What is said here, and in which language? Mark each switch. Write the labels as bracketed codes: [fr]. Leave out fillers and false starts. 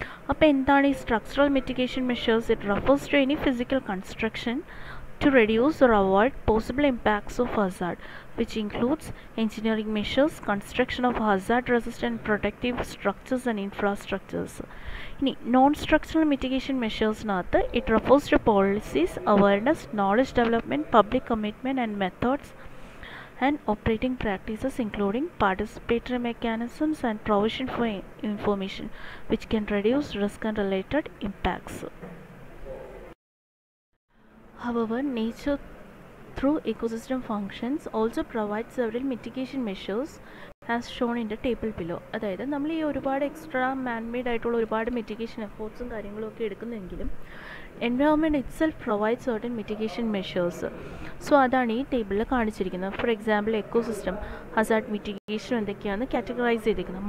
[ml] അപ്പോൾ എന്താണ് ഈ [en] Structural mitigation measures? It refers to any physical construction to reduce or avoid possible impacts of hazard which includes engineering measures construction of hazard resistant protective structures and infrastructures. ഇനി non structural mitigation മെഷേഴ്സിനകത്ത് it refers to policies awareness knowledge development public commitment and methods and operating practices including participatory mechanisms and provision for information which can reduce risk and related impacts. However, nature through ecosystem functions also provides several mitigation measures as shown in the table below. [ml] അതായത് നമ്മൾ ഈ ഒരുപാട് extra man-made ആയിട്ടുള്ള ഒരുപാട് mitigation എഫേർട്സും കാര്യങ്ങളും ഒക്കെ എടുക്കുന്നെങ്കിലും [en] Environment itself provides certain mitigation measures. [ml] So അതാണ് ഈ ടേബിളിൽ കാണിച്ചിരിക്കുന്നത്. For example, ecosystem Hazard mitigation എന്തൊക്കെയാണ് കാറ്റഗറൈസ് ചെയ്തിരിക്കുന്നത്.